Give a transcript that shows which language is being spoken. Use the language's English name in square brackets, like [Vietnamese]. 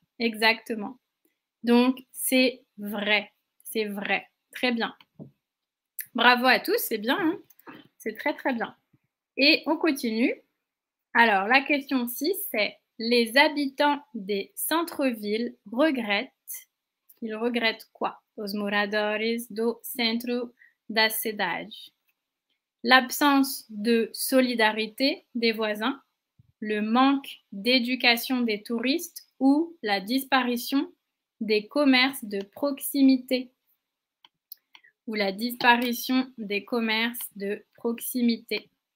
[French] Exactement. Donc, c'est vrai. C'est vrai. Très bien. Bravo à tous. C'est bien, hein? C'est très, très bien. Et on continue. Alors, la question 6, c'est. Les habitants des centres-villes regrettent. Ils regrettent quoi? [Portuguese] Os moradores do centro da cidade. [French] L'absence de solidarité des voisins, le manque d'éducation des touristes ou la disparition des commerces de proximité. ou la disparition des commerces de proximité.